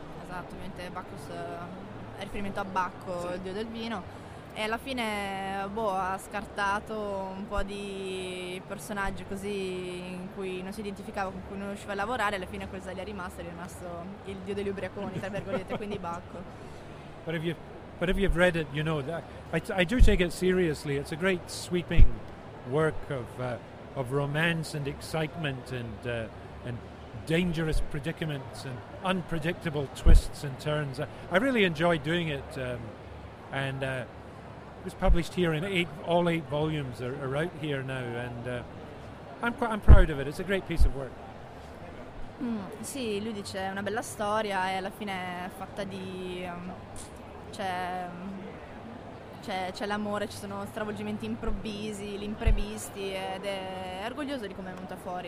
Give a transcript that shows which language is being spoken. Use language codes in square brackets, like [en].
[it] Esatto, ovviamente Bacchus è riferimento a Bacco, sì, il dio del vino. E alla fine ha scartato un po' di personaggi così in cui non si identificava, con cui non riusciva a lavorare. Alla fine cosa gli è rimasto? Gli è rimasto il dio degli ubriaconi, tra virgolette, quindi Bacco. [en] But if you've read it, you know that I do take it seriously. It's a great sweeping work of romance and excitement and dangerous predicaments and unpredictable twists and turns. I really enjoyed doing it, and it was published here in all eight volumes are out here now, and I'm proud of it. It's a great piece of work. [it] Sì, lui dice una bella storia e alla fine è fatta di c'è l'amore, ci sono stravolgimenti improvvisi, gli imprevisti, ed è orgoglioso di come è venuta fuori.